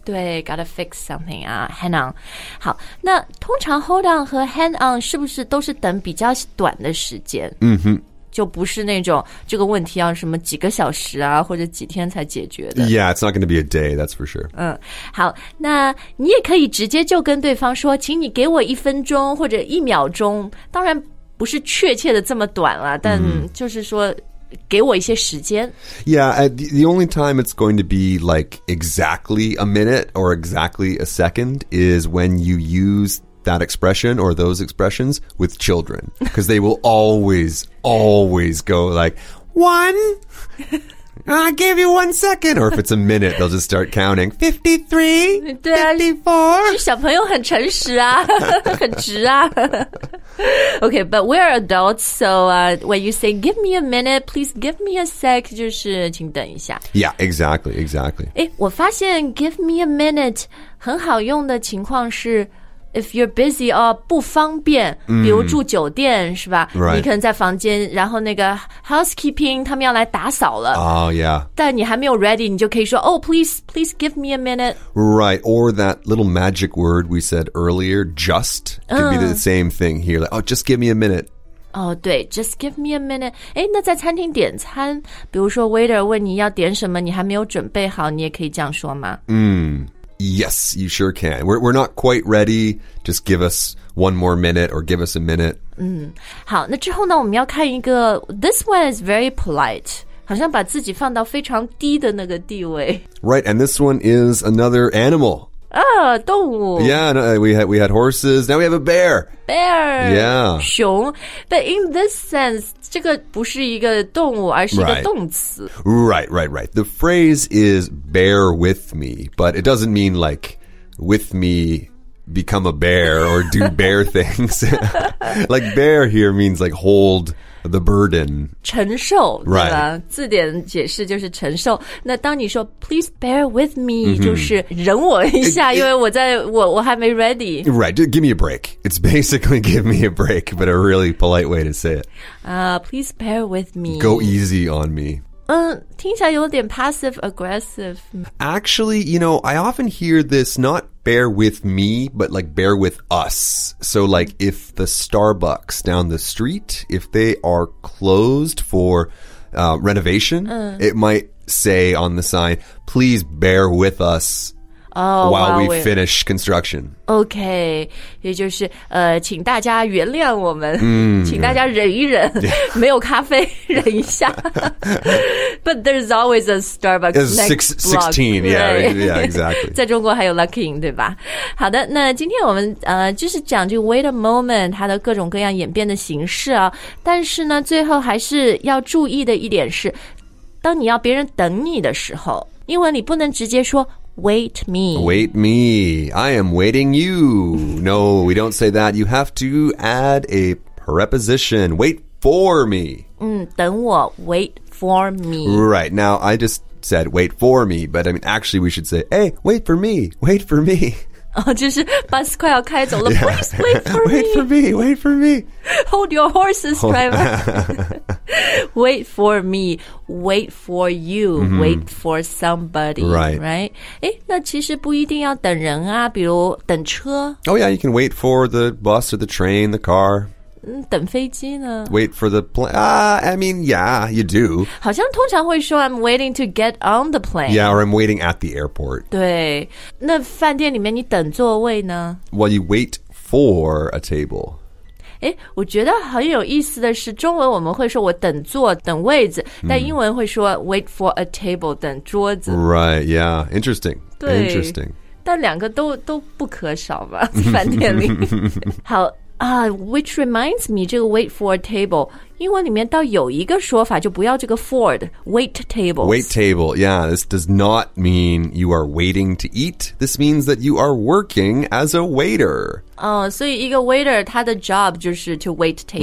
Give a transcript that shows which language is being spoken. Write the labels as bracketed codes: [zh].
[en] 对 gotta fix something, hang on. [zh] 好，那通常 hold on 和 hang on 是不是都是等比较短的时间？就不是那种这个问题要什么几个小时啊，或者几天才解决的。 [en] Yeah, it's not going to be a day, that's for sure. [zh] 好，那你也可以直接就跟对方说，请你给我一分钟或者一秒钟，当然不是确切的这么短了，但就是说给我一些时间。 [en] Yeah, the only time it's going to be like exactly a minute or exactly a second is when you use that expression or those expressions with children. Because they will always, always go like, one, I gave you 1 second. Or if it's a minute, they'll just start counting. 53, 54. [zh] 是小朋友很诚实啊，很直啊。 [en] Okay, but we're adults, so when you say, give me a minute, please give me a sec, [zh] 就是请等一下。 [en] Yeah, exactly. [zh] 我发现 [en] give me a minute [zh] 很好用的情况是 [en] If you're busy or [zh] 不方便，比如住酒店是吧？ [en] Right. [zh] 你可能在房间，然后那个 housekeeping 他们要来打扫了。 [en] Oh, yeah. [zh] 但你还没有 ready， 你就可以说 ， [en] Oh, please give me a minute. Right, or that little magic word we said earlier, just could be the same thing here. Like, oh, just give me a minute. Oh, 对 ，just give me a minute. [zh] 那在餐厅点餐，比如说 waiter 问你要点什么，你还没有准备好，你也可以这样说吗？ [en] Yes, you sure can. We're not quite ready. Just give us one more minute or give us a minute. [zh] 好，那之后呢，我们要看一个 [en] This one is very polite. [zh] 好像把自己放到非常低的那个地位。 [en] Right, and this one is another animal. [zh] 动物。 [en] Yeah, no, we had horses. Now we have a bear. Bear. Yeah. [zh] 熊。 [en] But in this sense, [zh] 这个不是一个动物，而是一个动词。 [en] Right. The phrase is bear with me, but it doesn't mean like with me become a bear or do bear things. Like bear here means like hold the burden. [zh] 承受 [en] Right. [zh] 字典解释就是承受。那当你说 [en] please bear with me, [zh] 就是忍我一下，因为我还没 ready. [en] Right. Give me a break. It's basically give me a break, but a really polite way to say it. Please bear with me. Go easy on me. [zh] 听起来有点 passive aggressive. [en] Actually, you know, I often hear this not bear with me, but like bear with us. So like if the Starbucks down the street, if they are closed for renovation, it might say on the sign, please bear with us. while we finish construction. [zh] Okay, 也就是请大家原谅我们，请大家忍一忍，没有咖啡，忍一下。 [en] But there's always a Starbucks next block. Yeah, exactly. [zh] 在中国还有 Lucky Inn, 对吧？好的，那今天我们就是讲这个 Wait a moment, 它的各种各样演变的形式啊。但是呢，最后还是要注意的一点是，当你要别人等你的时候，英文你不能直接说 wait me. [en] Wait me. I am waiting you. No, we don't say that. You have to add a preposition. Wait for me. [zh] 等我 [en] wait for me. Right. Now, I just said wait for me, but I mean, actually we should say, hey, wait for me, wait for me. [zh] 就是 bus 快要开走了 [en] Please wait for me. Wait for me, wait for me. Hold your horses, driver. Wait for me, wait for you,、mm-hmm. wait for somebody, right? Right? [zh] 诶，那其实不一定要等人啊，比如等车。 [en] Oh yeah, you can wait for the bus or the train, the car. [zh] 等飞机呢 [en] Wait for the plane. I mean, yeah, you do. [zh] 好像通常会说 [en] I'm waiting to get on the plane. Yeah, or I'm waiting at the airport. [zh] 对。那饭店里面你等座位呢 [en] Well, you wait for a table. [zh] 诶，我觉得很有意思的是中文我们会说我等座等位子但英文会说 wait for a table, 等桌子。 [en] Right, yeah, interesting. [zh] 对。 [en] Interesting. [zh] 但两个都不可少吧饭店里。好。 [en] Which reminds me, [zh] 这个 wait for a table, 英文里面倒有一个说法就不要这个 for 的 wait tables. [en] Wait table, yeah, this does not mean you are waiting to eat. This means that you are working as a waiter. [zh] 所以一个 waiter, 他的 job 就是 to wait tables.